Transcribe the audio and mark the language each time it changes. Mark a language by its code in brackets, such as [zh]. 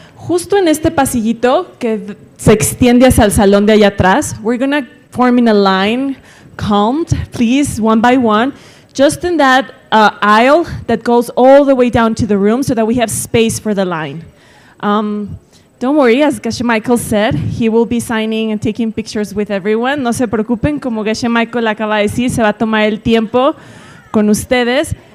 [es] Justo en este pasillito que se extiende hacia el salón de allá atrás. [en] We're going to form in a line. Calmed, please, one by one. Just in that aisle that goes all the way down to the room so that we have space for the line. Don't worry, as Geshe Michael said, he will be signing and taking pictures with everyone. [es] No se preocupen, como Geshe Michael acaba de decir, se va a tomar el tiempo con ustedes.